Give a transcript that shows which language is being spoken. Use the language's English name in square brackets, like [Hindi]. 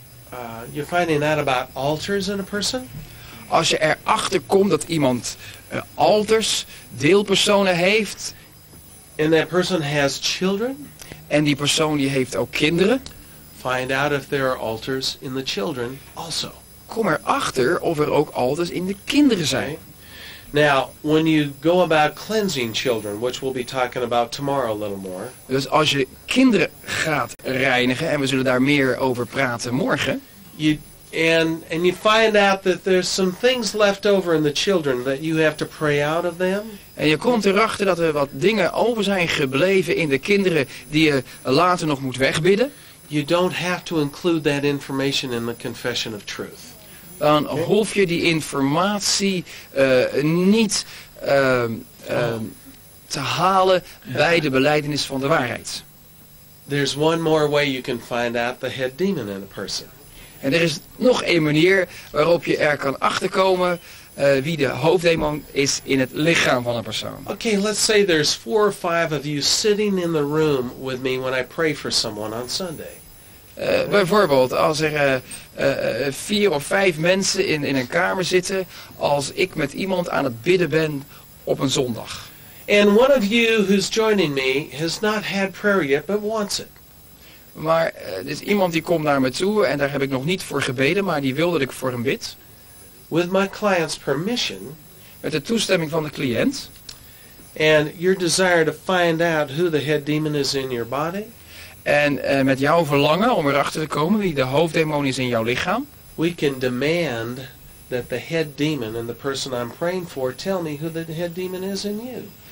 [English] When you're finding out about altars in a person? [Dutch] Als je erachter komt dat iemand alters, deelpersonen heeft. [English] And that person has children. [Dutch] En die persoon die heeft ook kinderen. [English] Find out if there are altars in the children also. [Dutch] Kom erachter of er ook altars in de kinderen zijn. [English] Okay. Now, when you go about cleansing children, which we'll be talking about tomorrow a little more. [Dutch] Dus als je kinderen gaat reinigen, en we zullen daar meer over praten morgen. [English] And you find out that there's some things left over in the children that you have to pray out of them. [Dutch] En je komt erachter dat er wat dingen over zijn gebleven in de kinderen die je later nog moet wegbidden. [English] You don't have to include that information in the confession of truth. [Dutch] Dan hoef je die informatie niet te halen bij de belijdenis van de waarheid. [English] There's one more way you can find out the head demon in a person. [Dutch] En er is nog één manier waarop je er kan achterkomen wie de hoofddemon is in het lichaam van een persoon. [English] Okay, let's say there's four or five of you sitting in the room with me when I pray for someone on Sunday. [Dutch] Bijvoorbeeld, als er vier of vijf mensen in een kamer zitten als ik met iemand aan het bidden ben op een zondag. [English] And one of you who's joining me has not had prayer yet but wants it. [Dutch] Maar er is iemand die komt naar me toe en daar heb ik nog niet voor gebeden, maar die wilde dat ik voor hem bid. [English] With my client's permission. [Dutch] Met de toestemming van de cliënt. [English] And your desire to find out who the head demon is in your body. [Dutch] En met jouw verlangen om erachter te komen wie de hoofddemon is in jouw lichaam. [English] We can demand that the head demon and the person I'm praying for tell me who the head demon is in you.